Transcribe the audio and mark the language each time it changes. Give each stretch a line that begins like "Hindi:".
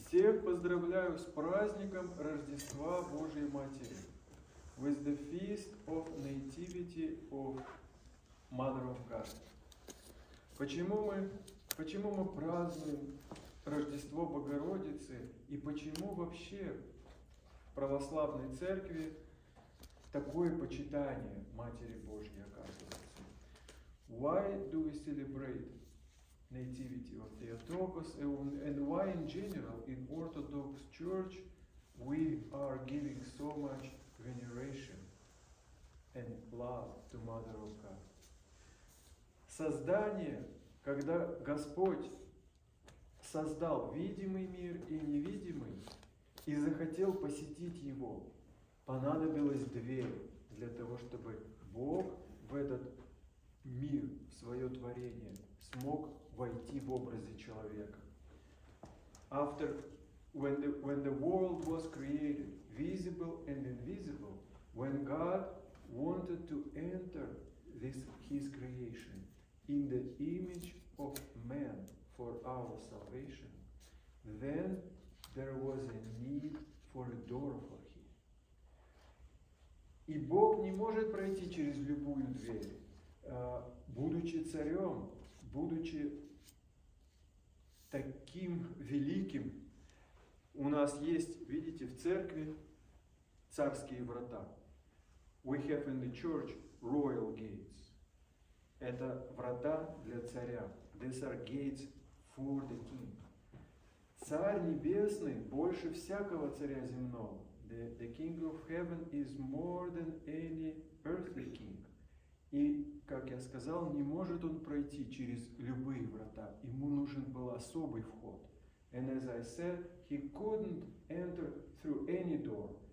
Russian: Всех поздравляю с праздником Рождества Божьей Матери.
English: With the Feast of Nativity of Mother of God.
Russian: Почему мы празднуем Рождество Богородицы и почему вообще в православной церкви такое почитание Матери Божьей оказывается?
English: Why do we celebrate Nativity of Theotokos and why in general in Orthodox Church we are giving so much veneration and love to Mother of God?
Russian: Создание, когда Господь создал видимый мир и невидимый и захотел посетить его, понадобилась дверь для того, чтобы Бог в этот мир, в свое творение смог войти в образе человека.
English: After when the world was created, visible and invisible, when God wanted to enter this His creation in the image of man for our salvation, then there was a need for a door for Him.
Russian: И Бог не может пройти через любую дверь, будучи царем, будучи таким великим. У нас есть, видите, в церкви царские врата.
English: We have in the church royal gates.
Russian: Это врата для царя.
English: These are gates for the king.
Russian: Царь небесный больше всякого царя земного.
English: The king of heaven is more than any earthly king.
Russian: И, как я сказал, не может он пройти через любые врата. Ему нужен был особый вход.
English: And as I said, he couldn't enter through any door.